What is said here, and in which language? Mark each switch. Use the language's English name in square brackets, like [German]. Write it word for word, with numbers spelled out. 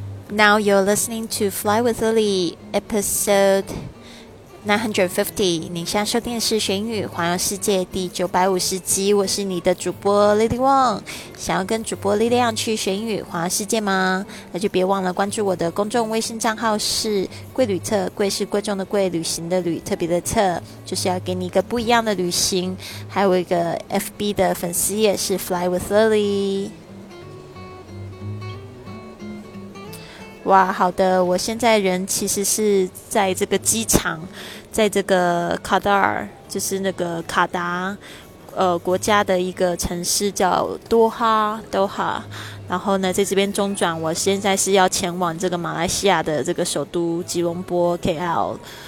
[English] Now you're listening to Fly with Lily, episode nine fifty。 [Chinese] 你现在收听的是学英语环游世界第九百五十集，我是你的主播 Lily Wong。想要跟主播 Lily 一样去学英语环游世界吗？那就别忘了关注我的公众微信账号是贵旅特，贵是贵重的贵，旅行的旅，特别的特，就是要给你一个不一样的旅行。还有一个 F B 的粉丝页是 Fly with Lily。哇，好的，我现在人其实是在这个机场，在这个卡达尔，就是那个卡达呃国家的一个城市叫多哈，多哈。然后呢，在这边中转，我现在是要前往这个马来西亚的这个首都吉隆坡 K L。